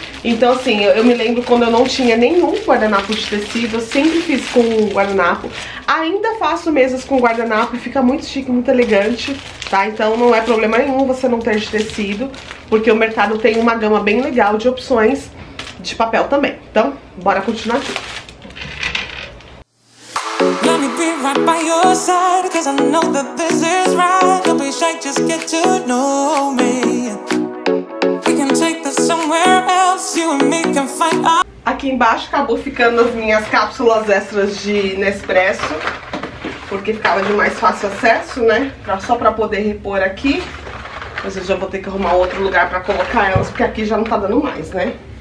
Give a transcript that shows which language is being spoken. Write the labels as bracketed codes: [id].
[pt] Então, assim, eu me lembro quando eu não tinha nenhum guardanapo de tecido, eu sempre fiz com guardanapo. Ainda faço mesas com guardanapo, fica muito chique, muito elegante, tá? Então não é problema nenhum você não ter de tecido, porque o mercado tem uma gama bem legal de opções de papel também. Então, bora continuar aqui. [en] Let me be right by your side, cause I know that this is right. Don't be shy, just get to know me. We can take this somewhere else, you and me can find out. [pt] Aqui embaixo acabou ficando as minhas cápsulas extras de Nespresso, porque ficava de mais fácil acesso, né? Só pra poder repor aqui. Mas eu já vou ter que arrumar outro lugar pra colocar elas, porque aqui já não tá dando mais, né?